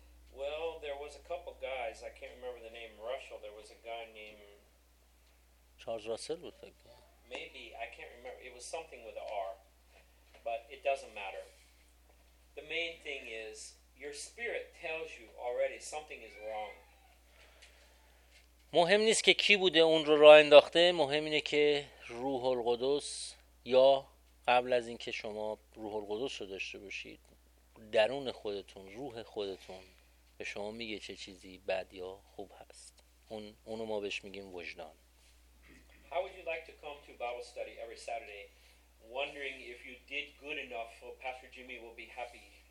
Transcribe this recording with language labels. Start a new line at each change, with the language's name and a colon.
English: Well, there was a couple guys, I can't remember the name, Russell, there was a guy named Charles Russell, I think. Maybe, I can't remember, it was something with an R, but it doesn't matter. The main thing is, your spirit tells you already something is wrong.
Persian: مهم نیست که کی بوده اون رو راه انداخته، مهم اینه که روح القدس، یا قبل از اینکه شما روح القدس رو داشته باشید، درون خودتون، روح خودتون به شما میگه چه چیزی بد یا خوب هست. اونو ما بهش میگیم وجدان.
English: How would you like to come to Bible study every Saturday wondering if you did good enough or Pastor Jimmy will be happy?